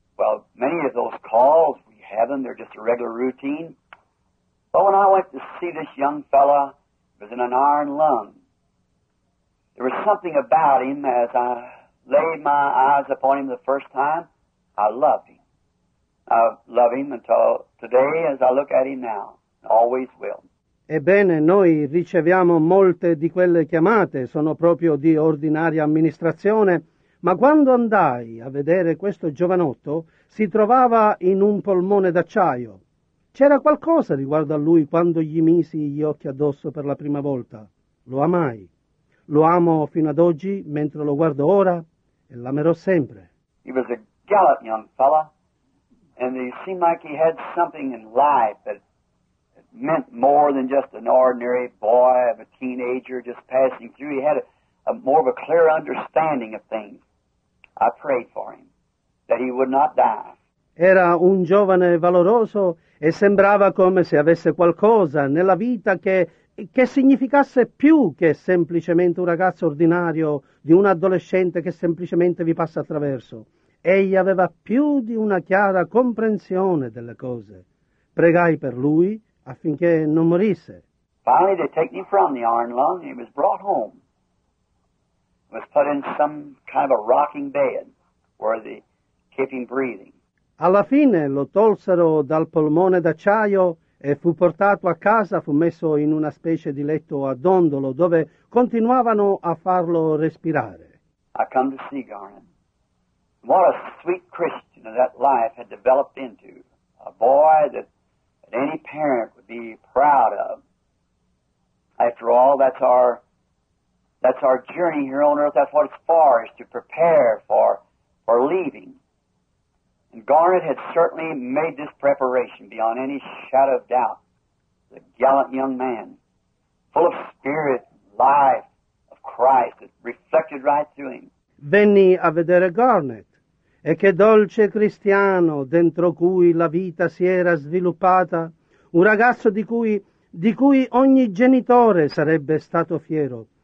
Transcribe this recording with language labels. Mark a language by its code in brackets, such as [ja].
[en] Well, many of those calls we have them, they're just a regular routine. But when I went to see this young fella, he was in an iron lung. There was something about him as I laid my eyes upon him the first time. I loved him. I love him until today as I look at him now. Always will. [it] Ebbene, noi riceviamo molte di quelle chiamate. Sono proprio di ordinaria amministrazione. Ma quando andai a vedere questo giovanotto, si trovava in un polmone d'acciaio. C'era qualcosa riguardo a lui quando gli misi gli occhi addosso per la prima volta. Lo amai. Lo amo fino ad oggi, mentre lo guardo ora, e l'amerò sempre. [en] He was a gallant young fella, and he seemed like he had something in life that meant more than just an ordinary boy of a teenager just passing through. He had a more of a clear understanding of things. I prayed for him, that he would not die. [it] Era un giovane valoroso, e sembrava come se avesse qualcosa nella vita che significasse più che semplicemente un ragazzo ordinario, di un adolescente che semplicemente vi passa attraverso. Egli aveva più di una chiara comprensione delle cose. Pregai per lui affinché non morisse. [en] Finally they take me from the iron lung, he was brought home. He was put in some kind of a rocking bed where they kept him breathing. [it] Alla fine lo tolsero dal polmone d'acciaio e fu portato a casa, fu messo in una specie di letto a dondolo dove continuavano a farlo respirare. [en] I come to see Garnet. What a sweet Christian that life had developed into. A boy that any parent would be proud of. After all, that's our journey here on earth. That's what it's for, is to prepare for leaving. Garnet had certainly made this preparation beyond any shadow of doubt. The gallant young man, full of spirit, life of Christ, that reflected right through him. [it] Venni a vedere Garnet, e che dolce cristiano dentro cui la vita si era sviluppata, un ragazzo di cui ogni genitore sarebbe stato fiero.